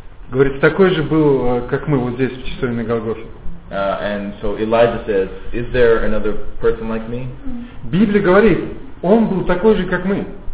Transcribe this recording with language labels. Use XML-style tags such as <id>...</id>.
<ru>Говорит, такой же был, как мы, вот здесь, в часовне на Голгофе.</ru> <en>And so Elijah says, is there another person like me?</en> <ru>Библия говорит, он был такой же, как мы.</ru>